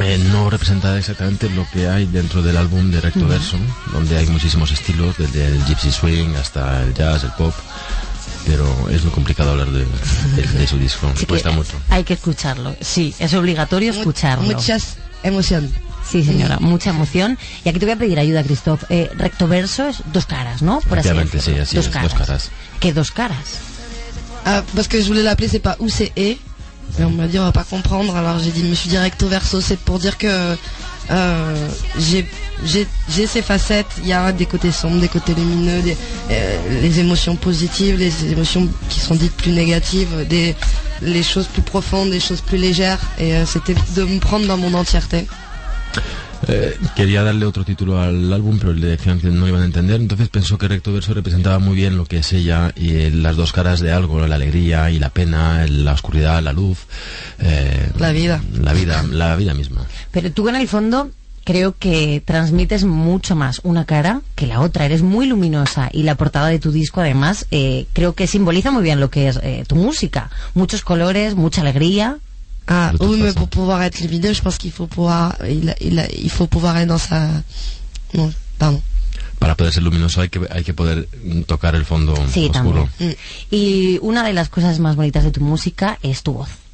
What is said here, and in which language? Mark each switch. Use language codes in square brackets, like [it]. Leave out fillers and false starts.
[es] No representa exactamente lo que hay dentro del álbum de Recto Verso, donde hay muchísimos estilos, desde el gypsy swing hasta el jazz, el pop. Pero es muy complicado hablar de su disco, sí, cuesta mucho. Hay que escucharlo, sí, es obligatorio escucharlo. Muchas emoción. Sí, señora, mucha emoción. Y aquí te voy a pedir ayuda, Christoph. Recto Verso es dos caras, ¿no? Por así decirlo. Sí, así dos es, caras. Dos caras. ¿Qué dos caras? [fr] Parce que je voulais l'appeler, c'est pas UCE. Et on m'a dit, on va pas comprendre. Alors j'ai dit, je me suis dit Recto Verso, c'est pour dire que j'ai ces facettes. Il y a des côtés sombres, des côtés lumineux, les émotions positives, les émotions qui sont dites plus négatives, les choses plus profondes, les choses plus légères. Et c'était de me prendre dans mon entièreté. [es] Quería darle otro título al álbum, pero le decían que no iban a entender. Entonces pensó que Recto Verso representaba muy bien lo que es ella y las dos caras de algo: la alegría y la pena, la oscuridad, la luz, la vida misma. Pero tú en el fondo creo que transmites mucho más una cara que la otra. Eres muy luminosa y la portada de tu disco además creo que simboliza muy bien lo que es tu música. Muchos colores, mucha alegría. [fr] Ah oui, mais pour pouvoir être lumineux, je pense qu'il faut pouvoir il faut pouvoir être dans sa non, pardon. [es] Para poder ser luminoso hay que poder tocar el fondo sí, oscuro. También. Y una de las cosas más bonitas de tu música es tu voz.